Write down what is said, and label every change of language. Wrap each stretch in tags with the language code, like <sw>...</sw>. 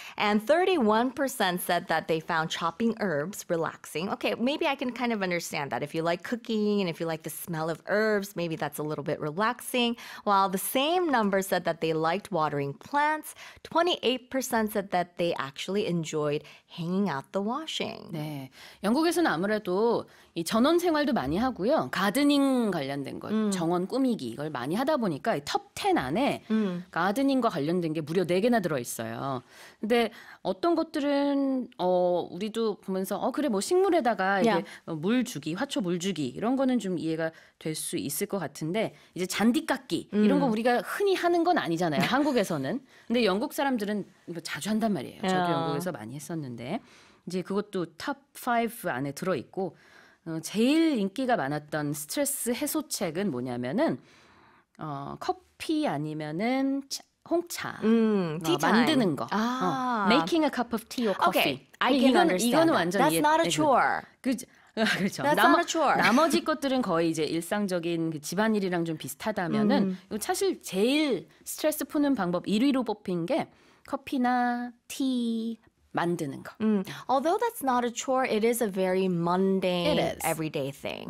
<en>And 31% said that they found chopping herbs relaxing. Okay, maybe I can kind of understand that. If you like cooking and if you like the smell of herbs, maybe that's a little bit relaxing. While the same number said that they liked watering plants, 28% said that they actually enjoyed hanging out the washing.</en> <ko>네, 영국에서는 아무래도 이 전원 생활도 많이 하고요. 가드닝 관련된 것, 정원 꾸미기 이걸 많이 하다 보니까 톱10 안에 가드닝과 관련된 게 무려 4개나 들어있어요. 근데 어떤 것들은 우리도 보면서 그래 뭐 식물에다가 이게 물 주기, 화초 물 주기 이런 거는 좀 이해가 될 수 있을 것 같은데 이제 잔디 깎기 이런 거 우리가 흔히 하는 건 아니잖아요. 한국에서는. 근데 영국 사람들은 이거 자주 한단 말이에요. 저도 영국에서 많이 했었는데 이제 그것도 톱5 안에 들어있고 제일 인기가 많았던 스트레스 해소책은 뭐냐면은 커피 아니면은 홍차 만드는 거</ko> <en>making a cup of tea or coffee. Okay, I can understand.</en> <ko>이거는 완전</ko> <en>That's</en> <ko>이해,</ko> <en>not a chore.</en> <ko>그렇죠.</ko> <en>That's not a chore.</en> <ko>나머지 것들은 거의 이제 일상적인 그 집안일이랑 좀 비슷하다면은 이거 사실 제일 스트레스 푸는 방법 1위로 뽑힌 게 커피나 티. 만드는 거.</ko> <en>Although that's not a chore, it is a very mundane everyday thing.</en>